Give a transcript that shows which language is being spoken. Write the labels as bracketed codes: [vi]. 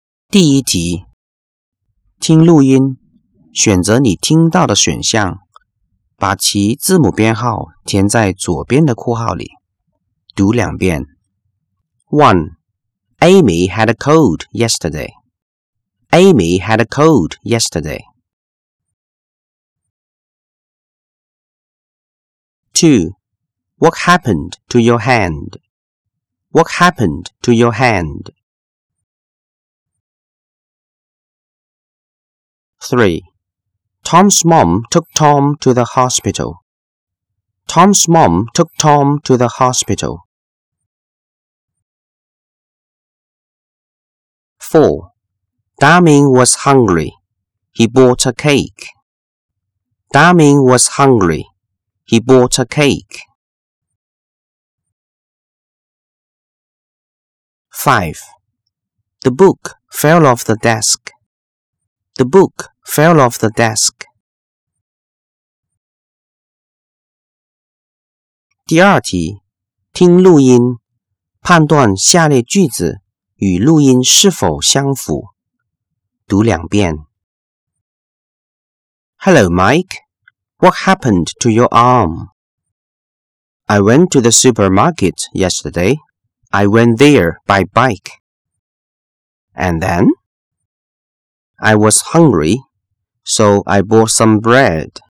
[zh] 第一题，听录音，选择你听到的选项，把其字母编号填在左边的括号里，读两遍。 1. [en] Amy had a cold yesterday. Amy had a cold yesterday. 2. What happened to your hand? What happened to your hand? 3. Tom's mom took Tom to the hospital. Tom's mom took Tom to the hospital. 4. Daming was hungry. He bought a cake. Daming was hungry. He bought a cake. 5. The book fell off the desk. The book fell off the desk. [zh] 第二题，听录音，判断下列句子与录音是否相符。读两遍。 [en] Hello, Mike. What happened to your arm? I went to the supermarket yesterday. I went there by bike. And then? I was hungry, so I bought some bread.